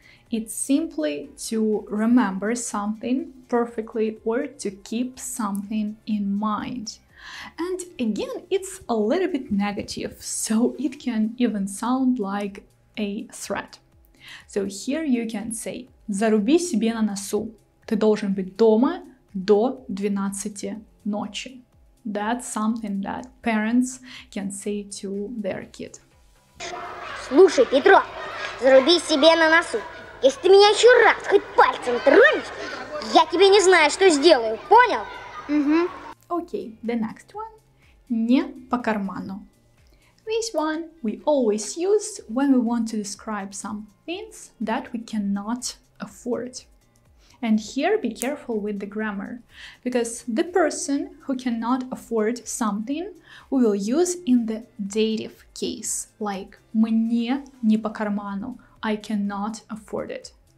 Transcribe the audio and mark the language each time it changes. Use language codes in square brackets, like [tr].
[en] It's simply to remember something perfectly or to keep something in mind. And again, it's a little bit negative, so it can even sound like a threat. So here you can say [ru] Заруби себе на носу. Ты должен быть дома до 12 ночи. [en] That's something that parents can say to their kid. [ru] Слушай, Петро, заруби себе на носу. Если ты меня еще раз хоть пальцем тронешь, я тебе не знаю, что сделаю, понял? [en] Угу. Okay, the next one. [ru] Не по карману. [en] This one we always use when we want to describe some things that we cannot afford. And here be careful with the grammar, because the person who cannot afford something we will use in the dative case, like [ru] мне не по карману, [en] I cannot afford it.